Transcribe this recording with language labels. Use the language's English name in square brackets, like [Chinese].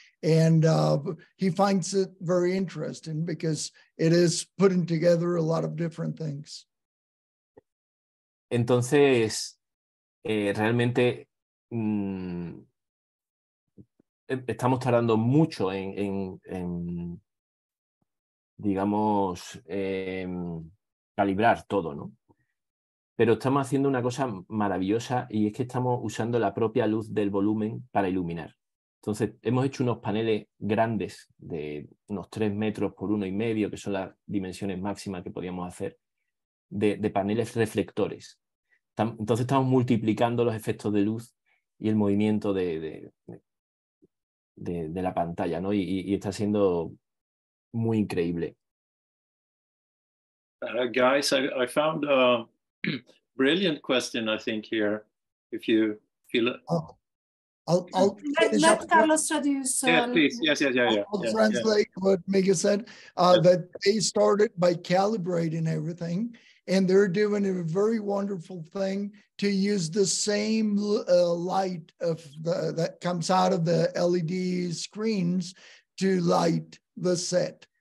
[English] And he finds it very interesting because it is putting together a lot of different things. [Spanish] Entonces, realmente estamos tardando mucho en calibrar todo, ¿no? Pero estamos haciendo una cosa maravillosa y es que estamos usando la propia luz del volumen para iluminar. Entonces, hemos hecho unos paneles grandes de unos 3 metros por 1,5, que son las dimensiones máximas que podíamos hacer, de paneles reflectores. Entonces, estamos multiplicando los efectos de luz y el movimiento de la pantalla, ¿no? Y está siendo muy increíble. [English] Guys, I found a brilliant question, I think, here, if you feel it. Oh, Let Carlos traduce. Yes, I'll translate what Migue said, that they started by calibrating everything, and they're doing a very wonderful thing to use the same light of that comes out of the LED screens to light the set.